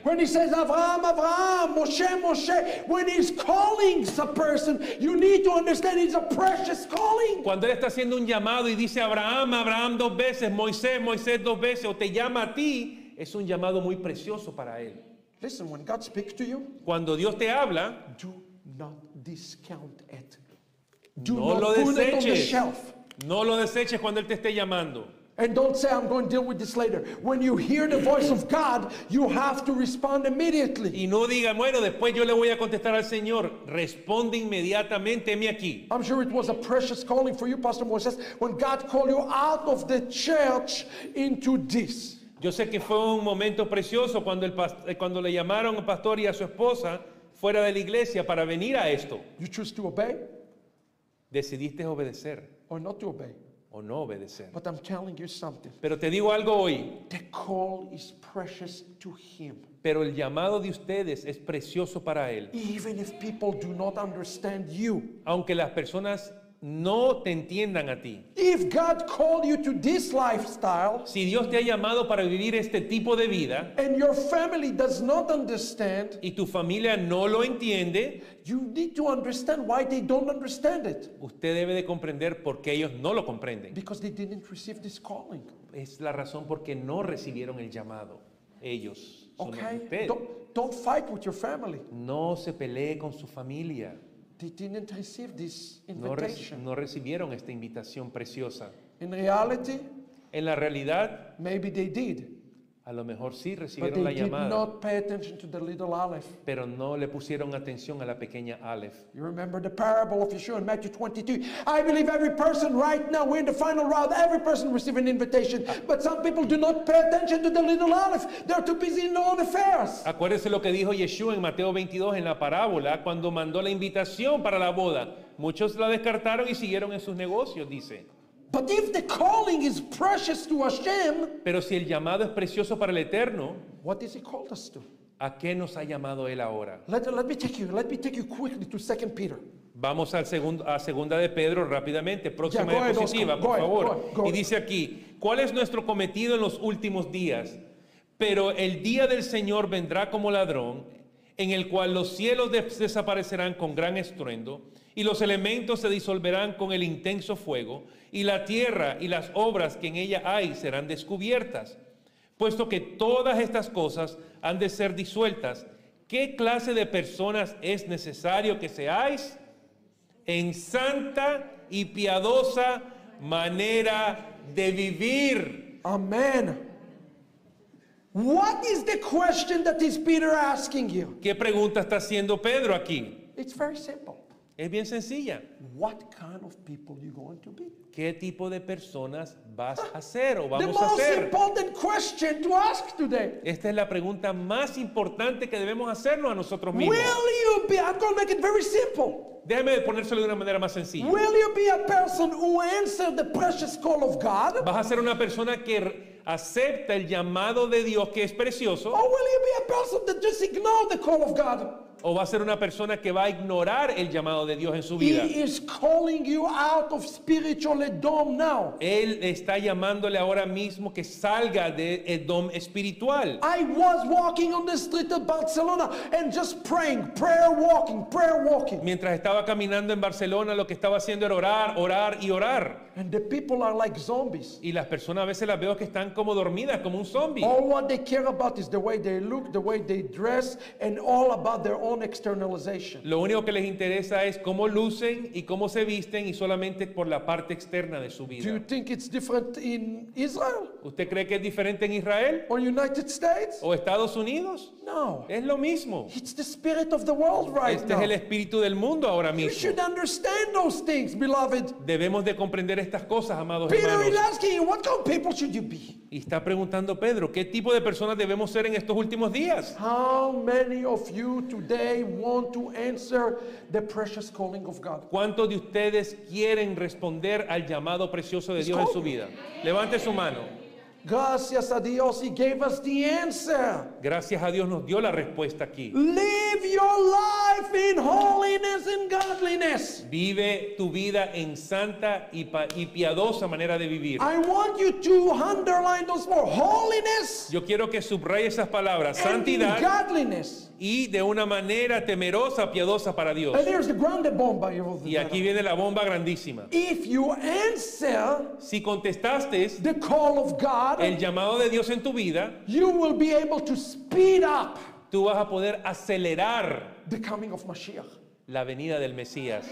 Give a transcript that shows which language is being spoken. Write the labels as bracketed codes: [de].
[en] When he says Abraham, Abraham, Moshe, when he's calling a person, you need to understand it's a precious calling. [es] Cuando él está haciendo un llamado y dice Abraham, Abraham dos veces, Moisés dos veces, o te llama a ti, es un llamado muy precioso para él. [en] Listen, when God speaks to you, [es] cuando Dios te habla, [en] do not discount it. Do no not [es] lo [en] put [es] deseches. [en] It on the shelf. [es] No lo deseches cuando él te esté llamando. [en] And don't say, I'm going to deal with this later. When you hear the voice of God, you have to respond immediately. [es] Y no diga, bueno, después yo le voy a contestar al Señor. Responde inmediatamente, heme aquí. [en] I'm sure it was a precious calling for you, Pastor Moses, when God called you out of the church into this. [es] Yo sé que fue un momento precioso cuando cuando le llamaron al pastor y a su esposa fuera de la iglesia para venir a esto. [en] You choose to obey. [es] Decidiste obedecer. [en] Or not to obey. [es] O no obedecer. [en] But I'm telling you something. [es] Pero te digo algo hoy. [en] The call is precious to him. [es] Pero el llamado de ustedes es precioso para él. [en] Even if people do not understand you. [es] Aunque las personas no te entiendan a ti. [en] If God called you to this lifestyle, [es] si Dios te ha llamado para vivir este tipo de vida, [en] and your family does not understand, [es] y tu familia no lo entiende, [en] you need to understand why they don't understand it. [es] Usted debe de comprender por qué ellos no lo comprenden. [en] Because they didn't receive this calling. [es] Es la razón por qué no recibieron el llamado. Ellos. [en] Okay. Don't fight with your family. [es] No se pelee con su familia. [en] They didn't receive this invitation. [es] No recibieron esta invitación preciosa. [en] In reality, [es] en la realidad, [en] maybe they did. [es] A lo mejor sí recibieron la llamada. [en] But they did not pay attention to the little Aleph. [es] Pero no le pusieron atención a la pequeña Aleph. [en] You remember the parable of Yeshua in Matthew 22. I believe every person right now, we're in the final round, every person received an invitation. But some people do not pay attention to the little Aleph. They're too busy in their own affairs. [es] Acuérdese lo que dijo Yeshua en Mateo 22 en la parábola cuando mandó la invitación para la boda. Muchos la descartaron y siguieron en sus negocios, dice. [en] But if the calling is precious to Hashem, [es] pero si el llamado es precioso para el Eterno, [en] what is he called us to? [es] ¿A qué nos ha llamado él ahora? [en] Let me take you quickly to 2 Peter. [es] Vamos al segundo, a segunda de Pedro rápidamente, próxima diapositiva, por favor. Y dice aquí, ¿cuál es nuestro cometido en los últimos días? Pero el día del Señor vendrá como ladrón, en el cual los cielos desaparecerán con gran estruendo, y los elementos se disolverán con el intenso fuego, y la tierra y las obras que en ella hay serán descubiertas. Puesto que todas estas cosas han de ser disueltas, ¿qué clase de personas es necesario que seáis? En santa y piadosa manera de vivir. Amén. [en] What is the question that is Peter asking you? [es] ¿Qué pregunta está haciendo Pedro aquí? [en] It's very simple. [es] Es bien sencilla. [en] What kind of people are you going to be? [es] ¿Qué tipo de personas vas a ser o vamos a ser? [en] The most important question to ask today. [es] Esta es la pregunta más importante que debemos hacernos a nosotros mismos. [en] Will you be? I'm going to make it very simple. [es] Déjame ponérselo de una manera más sencilla. [en] Will you be a person who answers the precious call of God? [es] ¿Vas a ser una persona que acepta el llamado de Dios que es precioso? [en] Or will you be a person that just ignore the call of God? [es] ¿O va a ser una persona que va a ignorar el llamado de Dios en su vida? [en] He is calling you out of spiritual Edom now. [es] Él está llamándole ahora mismo que salga de Edom espiritual. [en] I was walking on the street of Barcelona and just praying, prayer walking. [es] Mientras estaba caminando en Barcelona, lo que estaba haciendo era orar, orar y orar. [en] And the people are like zombies. [es] Y las personas a veces las veo que están como dormidas, como un zombie. [en] All what they care about is the way they look, the way they dress, and all about their own externalization. [es] Lo único que les interesa es cómo lucen y cómo se visten y solamente por la parte externa de su vida. [en] Do you think it's different in Israel? [es] ¿Usted cree que es diferente en Israel? [en] Or United States? [es] ¿O Estados Unidos? [en] No. [es] Es lo mismo. [en] It's the spirit of the world right [es] now. Este es el espíritu del mundo ahora mismo. [en] You should understand those things, beloved. [es] Debemos de comprender estas cosas, amados [en] Peter [es] hermanos. [en] Is asking you, what kind of people should you be? [es] Y está preguntando Pedro, ¿qué tipo de personas debemos ser en estos últimos días? [en] How many of you today want to answer the precious calling of God? [es] ¿Cuántos de ustedes quieren responder al llamado precioso de Dios en su vida? Levante su mano. Gracias a Dios, [en] he gave us the answer. [es] Gracias a Dios nos dio la respuesta aquí. [en] Live your life in holiness and godliness. [es] Vive tu vida en santa y piadosa manera de vivir. [en] I want you to underline those more holiness. [es] Yo quiero que subraye esas palabras, santidad, [en] godliness, [es] y de una manera temerosa, piadosa para Dios. [en] And here's the grand bomb by all the [es] y aquí viene la bomba grandísima. [en] If you answer, [es] si contestaste [en] the call of God, [es] el llamado de Dios en tu vida, [en] you will be able to speed up, [es] tú vas a poder acelerar [en] the coming of Mashiach, [es] la venida del Mesías.